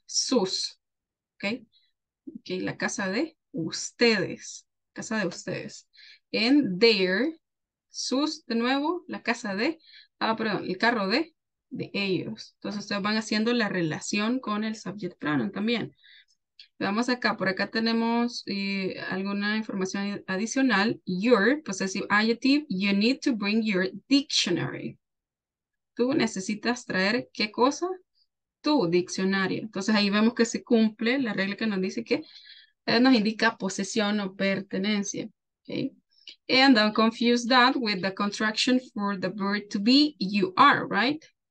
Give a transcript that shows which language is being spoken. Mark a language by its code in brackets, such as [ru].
[es] Sus, okay? Okay, la casa de ustedes. Casa de ustedes. And their, sus, de nuevo, la casa de, el carro de ellos. Entonces, ustedes van haciendo la relación con el subject pronoun también. Vamos acá, por acá tenemos alguna información adicional. [en] Your possessive adjective, you need to bring your dictionary. [es] Tú necesitas traer, ¿qué cosa? Tu diccionario. Entonces ahí vemos que se cumple la regla que nos dice que nos indica posesión o pertenencia. [en] Okay? And don't confuse that with the contraction for the verb to be, you are, right?